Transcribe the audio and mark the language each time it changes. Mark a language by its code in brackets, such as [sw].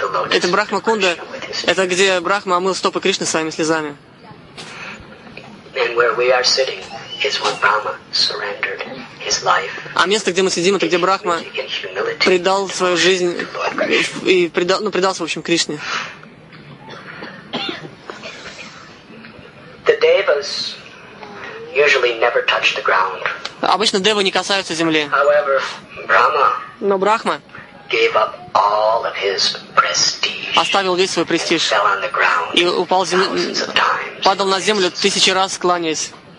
[ru] Это Брахмакунда, это где Брахма омыл стопы Кришны своими слезами. [en] And where we are sitting is when Brahma surrendered his life. [ru] А место, где мы сидим, это где Брахма предал свою жизнь и предался, в общем, Кришне. [en] The devas usually never touch the ground. [ru] Обычно девы не касаются земли. [en] However, Brahma. [ru] Но Брахма [en] gave up all of his prestige. [ru] Оставил весь свой престиж и упал падал на землю тысячи раз, кланяясь.